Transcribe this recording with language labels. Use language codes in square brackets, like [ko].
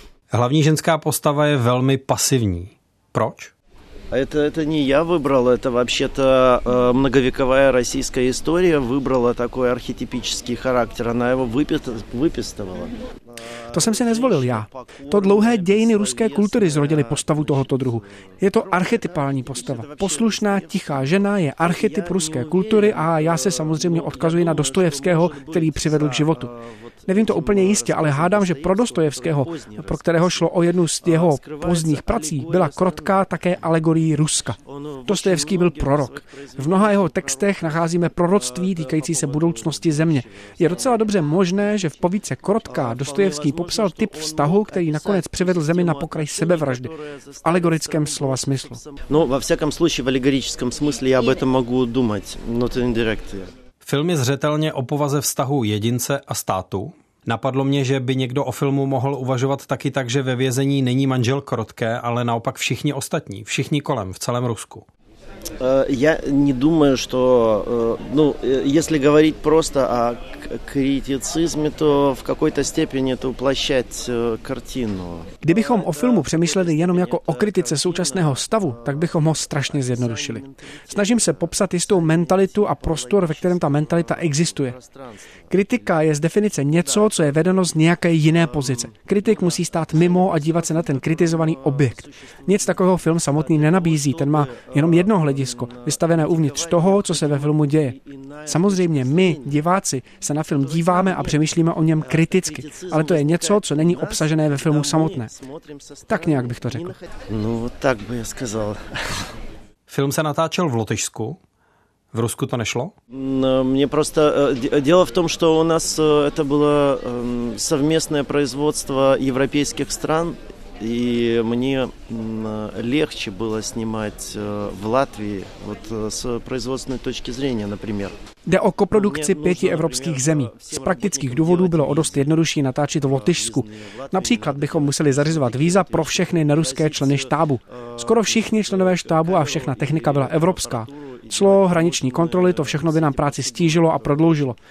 [cs] Hlavní ženská postava je velmi pasivní. Proč? [ru] Это не я выбрал, это вообще-то многовековая российская история выбрала такой архетипический характер, она его выписывала. [cs] To jsem si nezvolil já. To dlouhé dějiny ruské kultury zrodily postavu tohoto druhu. Je to archetypální postava. Poslušná, tichá žena je archetyp ruské kultury a já se samozřejmě odkazuji na Dostojevského, který přivedl k životu. Nevím to úplně jistě, ale hádám, že pro Dostojevského, pro kterého šlo o jednu z jeho pozdních prací, byla krotká také alegorií Ruska. Dostojevský byl prorok. V mnoha jeho textech nacházíme proroctví týkající se budoucnosti země. Je docela dobře možné, že v povíce Krotká Dostojevský popsal typ vztahu, který nakonec přivedl zemi na pokraj sebevraždy. V alegorickém slova smyslu. No, ve všakém slušení v alegorickém smyslu já by to mohu důmat, no to indirekt. Film je zřetelně o povaze vztahu jedince a státu. Napadlo mě, že by někdo o filmu mohl uvažovat taky tak, že ve vězení není manžel Krotké, ale naopak všichni ostatní, všichni kolem, v celém Rusku. [ru] Я не думаю, что, ну, если говорить просто о критицизме, то в какой-то степени это уплощает картину. [cs] Kdybychom o filmu přemýšleli jenom jako o kritice současného stavu, tak bychom ho strašně zjednodušili. Snažím se popsat jistou mentalitu a prostor, ve kterém ta mentalita existuje. Kritika je z definice něco, co je vedeno z nějaké jiné pozice. Kritik musí stát mimo a dívat se na ten kritizovaný objekt. Nic takového film samotný nenabízí, ten má jenom jedno hledisko, vystavené uvnitř toho, co se ve filmu děje. Samozřejmě my, diváci, se na film díváme a přemýšlíme o něm kriticky, ale to je něco, co není obsažené ve filmu samotné. Tak nějak bych to řekl. No, tak bych řekl. Film se natáčel v Lotyšsku. V Rusku to nešlo? [ru] Мне просто дело в том, что у нас это было совместное производство европейских стран. И мне легче было снимать в Латвии вот с производственной точки зрения, например. [cs] Jde o koprodukci pěti evropských zemí. Z praktických důvodů bylo o dost jednodušší natáčet v Lotyšsku. Například bychom museli zařizovat víza pro všechny neruské členy štábu. Skoro všichni členové štábu a všechna technika byla evropská. Clo, hraniční kontroly, to všechno by nám práci stížilo a prodloužilo.